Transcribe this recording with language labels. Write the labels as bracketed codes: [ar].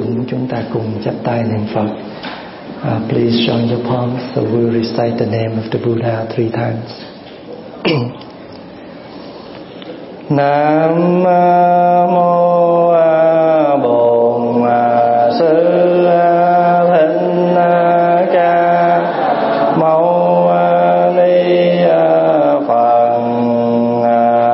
[vi] Chúng ta cùng chắp tay niệm Phật. [en] Please join your palms, so we recite the name of the Buddha three times. [vi] Nam mô Bổn Sư Thích Ca Mâu Ni Phật.